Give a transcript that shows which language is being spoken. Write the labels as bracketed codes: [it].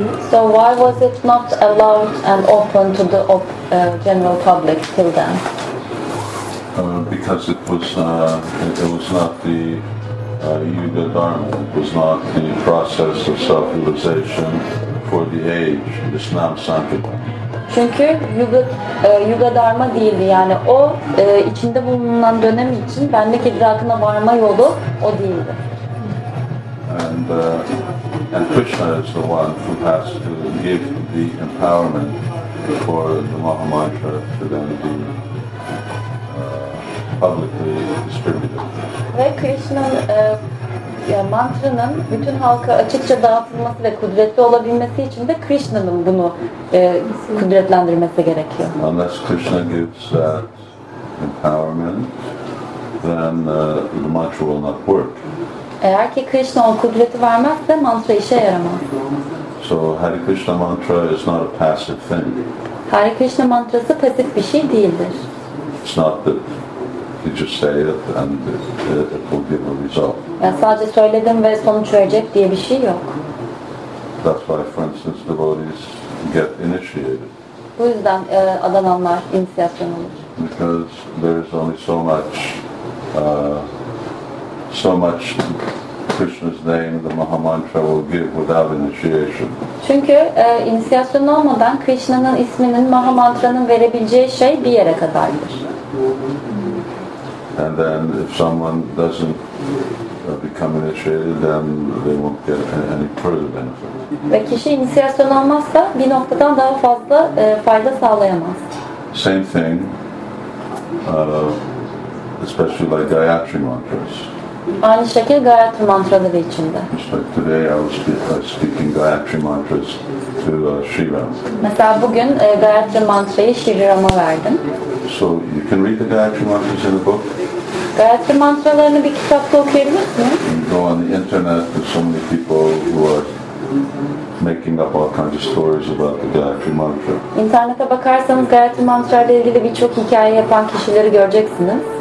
[en] So why was it not allowed and open to the general public till then? Because it was not the Yuga Dharma. It was not the process of self-realization for the age. It's not Sankirtan. [tr] Çünkü Yuga Dharma değildi. Yani o içinde bulunan dönem için benlik idrakına varma yolu o değildi. [en] And Krishna is the one who has to give the empowerment for the Maha Mantra to then be publicly distributed. [tr] Ve Krishna'nın mantranın bütün halka açıkça dağıtılması ve kudretli olabilmesi için de Krishna'nın bunu kudretlendirmesi gerekiyor. [en] Unless Krishna gives that empowerment, then the mantra will not work. [tr] Eğer ki Krishna o kudreti vermezse mantra işe yaramaz. [en] So Hare Krishna mantra is not a passive thing. [tr] Hare Krishna mantrası pasif bir şey değildir. [en] It's not that you just say it and it will give a result. [tr] Yani sadece söyledim ve sonuç verecek diye bir şey yok. [en] That's why, for instance, devotees get initiated. [tr] Bu yüzden adananlar inisiyasyon olur. [en] Because there is only so much so much Krishna's name, the Maha Mantra will give without initiation. [tr] Çünkü inisiyasyon olmadan Krishna'nın isminin Maha Mantra'nın verebileceği şey bir yere kadardır. [en] And then if someone doesn't become initiated, then they won't get any further benefit. [tr] Ve kişi inisiyasyon olmazsa bir noktadan daha fazla fayda sağlayamaz. [en] Same thing, especially like Gayatri mantras. [tr] Aynı şekilde Gayatri mantraları içinde. [en] Like today I was speaking Gayatri mantras to Shiva. [tr] Mesela bugün Gayatri mantrayı Shiva'ya verdim. [en] So you can read the Gayatri mantras in a book. [tr] Gayatri mantralarını bir kitapta okuyabilir misin? [en] Go on the internet, there's so many people who are making up all kinds of stories about the Gayatri Mantra. [tr] İnternete bakarsanız Gayatri Mantra ile ilgili birçok hikaye yapan kişileri göreceksiniz.